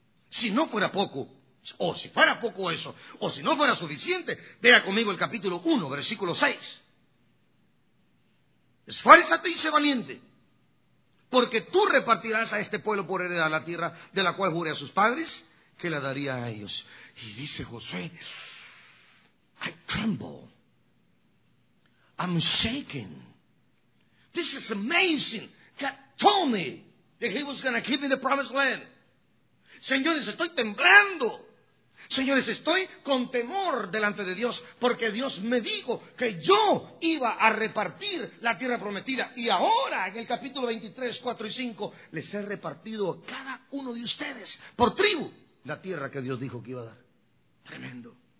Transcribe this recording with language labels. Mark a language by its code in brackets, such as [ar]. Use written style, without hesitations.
[es] Si no fuera poco, o si fuera poco eso, o si no fuera suficiente, vea conmigo el capítulo 1, versículo 6. Esfuérzate y sé valiente, porque tú repartirás a este pueblo por heredad la tierra de la cual juré a sus padres, que la daría a ellos. Y dice Josué, [en] I tremble, I'm shaken, this is amazing. God told me that He was going to give me the promised land. [es] Señores, estoy temblando. Señores, estoy con temor delante de Dios, porque Dios me dijo que yo iba a repartir la tierra prometida. Y ahora, en el capítulo 23, 4 y 5, les he repartido a cada uno de ustedes, por tribu, la tierra que Dios dijo que iba a dar. Tremendo.